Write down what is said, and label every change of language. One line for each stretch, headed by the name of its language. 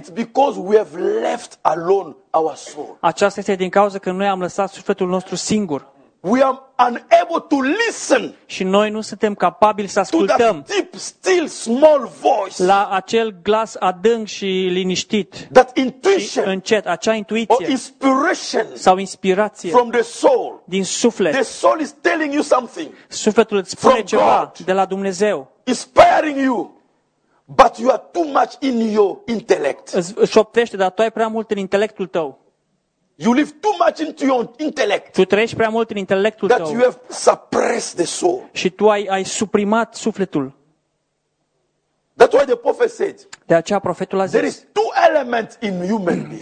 English: It's because we have left alone our soul.
Romanian: Aceasta este din cauza că noi am lăsat sufletul nostru singur.
English: We are unable to listen.
Romanian: Și noi nu suntem capabili să ascultăm.
English: To that deep, still, small voice.
Romanian: La acel glas adânc și liniștit.
English: That intuition.
Romanian: Încet, acea intuiție.
English: Or inspiration.
Romanian: Sau inspirație.
English: From the soul.
Romanian: Din suflet.
English: The soul is telling you something.
Romanian: Sufletul îți spune ceva de la Dumnezeu.
English: Inspiring you. But you are too much in your intellect.
Romanian: Șoptește, dar tu ai prea mult în intelectul tău.
English: You live too much into your intellect.
Romanian: Tu trăiești prea mult în intelectul
English: that
Romanian: tău.
English: You have suppressed the soul.
Romanian: Și tu ai suprimat sufletul.
English: That's why the prophet said.
Romanian: De aceea profetul a zis.
English: There is two elements in human being.